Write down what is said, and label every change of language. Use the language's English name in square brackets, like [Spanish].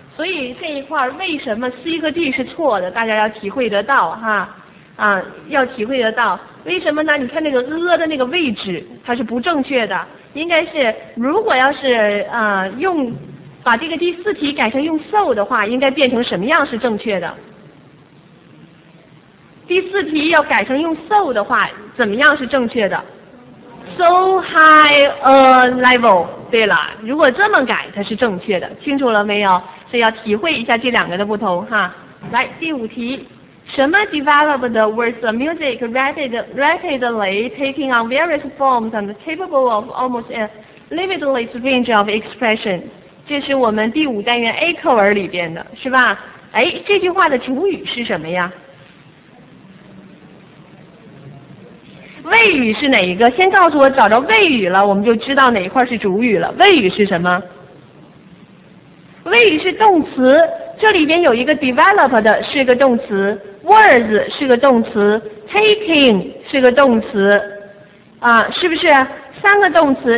[Chinese] 所以这一块为什么 C 和 D 是错的，大家要体会得到哈啊，要体会得到为什么呢？你看那个 a 的那个位置它是不正确的，应该是如果要是用把这个第四题改成用 so 的话，应该变成什么样是正确的？第四题要改成用 so 的话，怎么样是正确的？ [English] so high a level， [Chinese] 对了，如果这么改它是正确的，清楚了没有？所以要体会一下这两个的不同哈。来，第五题，什么 [English] developed with the music rapidly taking on various forms and capable of almost a limitless range of expression？ [Chinese] 这是我们第五单元 A 课文里边的，是吧？哎，这句话的主语是什么呀？谓语是哪一个？先告诉我，找着谓语了我们就知道哪一块是主语了。谓语是什么？谓语是动词，这里边有一个 developed 是个动词， was 是个动词， taking 是个动词啊，是不是三个动词？